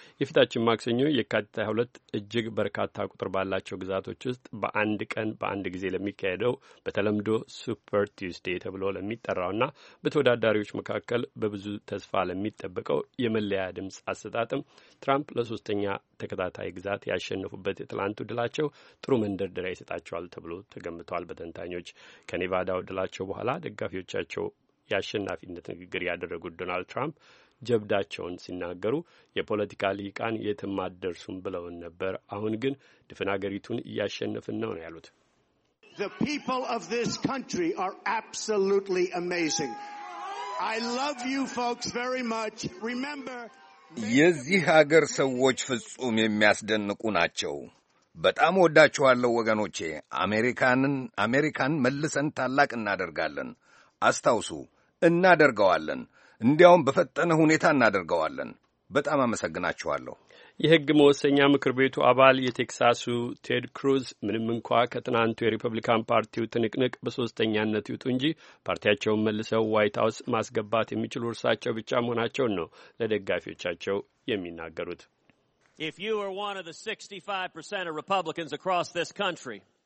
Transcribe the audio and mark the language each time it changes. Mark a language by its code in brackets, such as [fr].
[am] የፊታችን ማክሰኞ የካቲት 22 እጅግ በርካታ ቁጥር ባላቸው ግዛቶች ውስጥ በአንድ ቀን በአንድ ጊዜ ለሚካሄደው በተለምዶ ሱፐር ቲውስዴ ተብሎ ለሚጠራውና በተወዳዳሪዎች መካከል በብዙ ተስፋ ለሚጠበቀው የመለያ ድምፅ አሰጣጥም ትራምፕ ለሶስተኛ ተከታታይ ግዛት ያሸነፉበት የትላንቱ ድላቸው ጥሩ መንደርደሪያ ይሰጣቸዋል ተብሎ ተገምተዋል። በተንታኞች ከኔቫዳው ድላቸው በኋላ ደጋፊዎቻቸው የአሸናፊነት ንግግር ያደረጉት ዶናልድ ትራምፕ ጀብዳቸውን ሲናገሩ የፖለቲካ ልሂቃን የትም አትደርሱም ብለውን ነበር፣ አሁን ግን ድፍን አገሪቱን እያሸነፍን ነው ያሉት። [en] The people of this country are absolutely amazing. I love you folks very much. Remember, [am] የዚህ ሀገር ሰዎች ፍጹም የሚያስደንቁ ናቸው። በጣም ወዳችኋለሁ ወገኖቼ። አሜሪካን መልሰን ታላቅ እናደርጋለን። አስታውሱ፣ እናደርገዋለን። እንዲያውም በፈጠነ ሁኔታ እናደርገዋለን። በጣም አመሰግናችኋለሁ። የሕግ መወሰኛ ምክር ቤቱ አባል የቴክሳሱ ቴድ ክሩዝ ምንም እንኳ ከትናንቱ የሪፐብሊካን ፓርቲው ትንቅንቅ በሶስተኛነት ይውጡ እንጂ ፓርቲያቸውን መልሰው ዋይት ሀውስ ማስገባት የሚችሉ እርሳቸው ብቻ መሆናቸውን ነው ለደጋፊዎቻቸው የሚናገሩት። [en] If you are one of the 65% of Republicans across this country